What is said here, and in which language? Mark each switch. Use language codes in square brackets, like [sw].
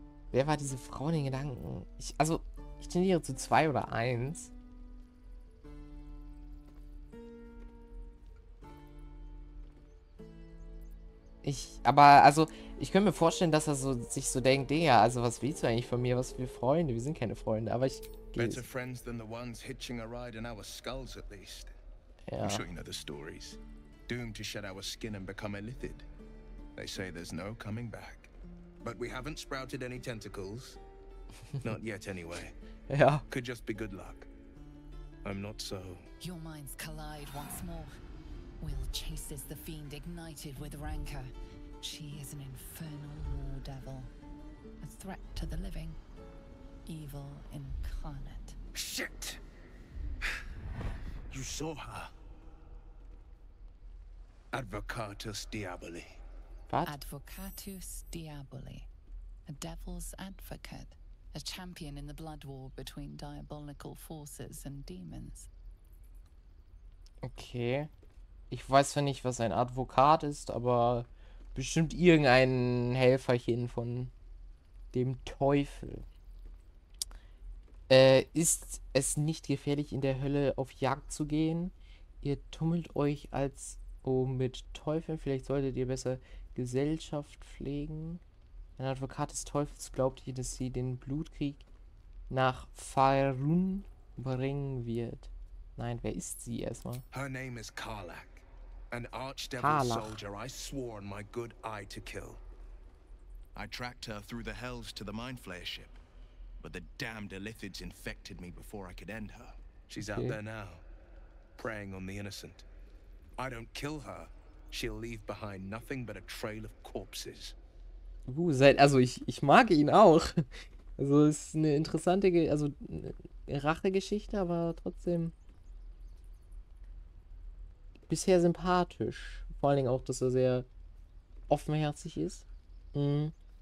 [de] Wer war diese Frau in den Gedanken? Ich tendiere zu 2 oder 1. Ich könnte mir vorstellen, dass er so, sich so denkt, Digga, also was willst du eigentlich von mir? Was für Freunde? Wir sind keine Freunde, aber ich gehe. [en] Better friends than the ones hitching a ride in our skulls at least. [de] Ja. [en] I'm sure you know the stories. Doomed to shed our skin and become illithid. They say there's no coming back. But we haven't sprouted any tentacles. Not yet anyway. [de] Ja. [en] Could just be good luck. I'm not so. Your minds collide once more. Will chases the fiend ignited with rancor. She is an infernal war devil. A threat to the living. Evil incarnate. Shit! You saw her. Advocatus Diaboli. What? Advocatus Diaboli. A devil's advocate. A champion in the blood war between diabolical forces and demons. [de] Okay. Ich weiß zwar nicht, was ein Advokat ist, aber bestimmt irgendein Helferchen von dem Teufel. Ist es nicht gefährlich, in der Hölle auf Jagd zu gehen? Ihr tummelt euch als mit Teufeln. Vielleicht solltet ihr besser Gesellschaft pflegen. Ein Advokat des Teufels glaubt ihr, dass sie den Blutkrieg nach Faerun bringen wird? Nein, wer ist sie erstmal? [en] Her name is Karlach. An archdevil soldier I swore on my good eye to kill. I tracked her through the hells to the Mindflayer ship, but the damned illithids infected me before I could end her. She's out there now, preying on the innocent. I don't kill her, she'll leave behind nothing but a trail of corpses. [de] Also ich mag ihn auch. Also ist eine interessante Rachegeschichte, aber trotzdem bisher sympathisch. Vor allen Dingen auch, dass er sehr offenherzig ist. Mhm.